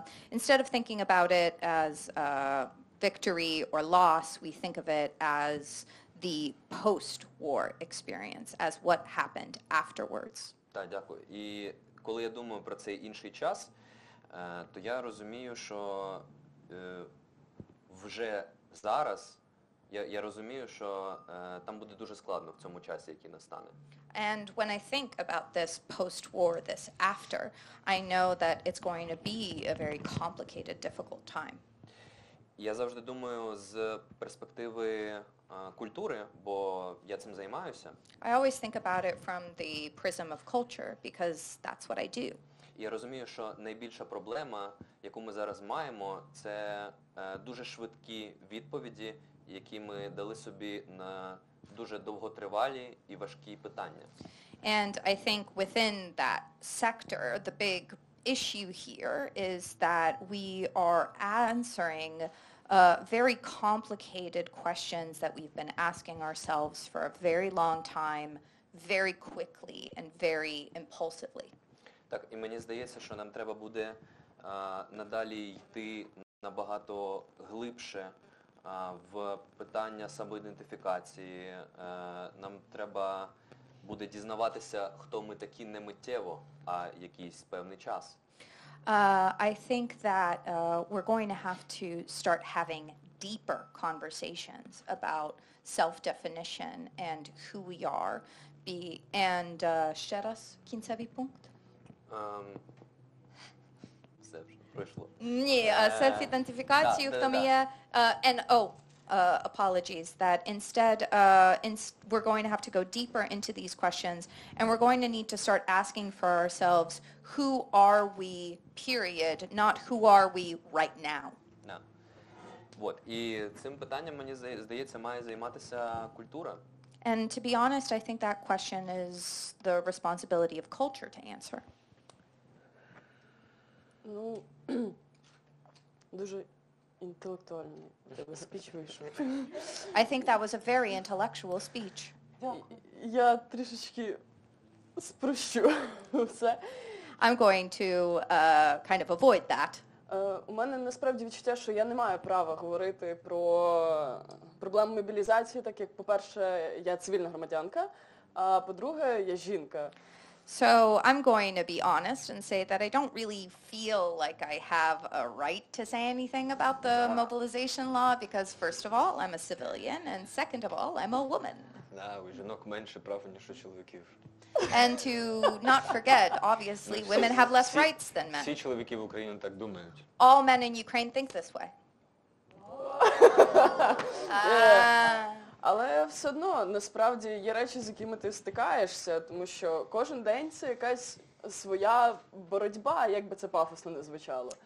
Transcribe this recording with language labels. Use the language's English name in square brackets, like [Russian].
[English] instead of thinking about it as victory or loss, we think of it as the post-war experience, as what happened afterwards. [Ukrainian] Так, дякую. І коли я думаю про цей інший час, то я розумію, що вже зараз, я розумію, що там буде дуже складно в цьому часі, який настане. [English] And when I think about this post-war, this after, I know that it's going to be a very complicated, difficult time. [Ukrainian] Я завжди думаю з перспективи культури, бо я цим займаюся. [English] I always think about it from the prism of culture, because that's what I do. [Ukrainian] І я розумію, що найбільша проблема, яку ми зараз маємо, це дуже швидкі відповіді, які ми дали собі на дуже довготривалі і важкі питання. [English] And I think within that sector, the big issue here is that we are answering very complicated questions that we've been asking ourselves for a very long time, very quickly and very impulsively. [Ukrainian] Так, і мені здається, що нам треба буде надалі йти набагато глибше в питання самоідентифікації. Нам треба буде дізнаватися, хто ми такі не миттєво, а якийсь певний час. [English] I think that we're going to have to start having deeper conversations about self-definition and who we are. [Ukrainian] And ще раз, кінцевий пункт? Все вже пройшло. Ні, self-identifikацію, хто ми є. [English] And oh, apologies, that instead we're going to have to go deeper into these questions and we're going to need to start asking for ourselves, who are we, period, not who are we right now. No. Вот. [Ukrainian] І цим питанням, мені здається, має займатися культура. [English] And to be honest, I think that question is the responsibility of culture to answer. [Ukrainian] Ну, дуже інтелектуальний тебе спіч вийшов. [English] I think that was a very intellectual speech. [Ukrainian] Я трішечки спрощу все. [English] I'm going to kind of avoid that. [Ukrainian] У мене насправді відчуття, що я не маю права говорити про проблему мобілізації, так як, по-перше, я цивільна громадянка, а по-друге, я жінка. [English] So I'm going to be honest and say that I don't really feel like I have a right to say anything about the mobilization law because, first of all, I'm a civilian, and second of all, I'm a woman. [Ukrainian] Да, у жінок менше прав, ніж у чоловіків. [English] And to not forget, obviously, women have less rights than men. [Ukrainian] Всі чоловіки в Україні так думають. [English] All men in Ukraine think this way. [Ukrainian] Але все одно, насправді, є речі, з якими ти стикаєшся, тому що кожен день це якась своя боротьба, як би це пафосно не звучало.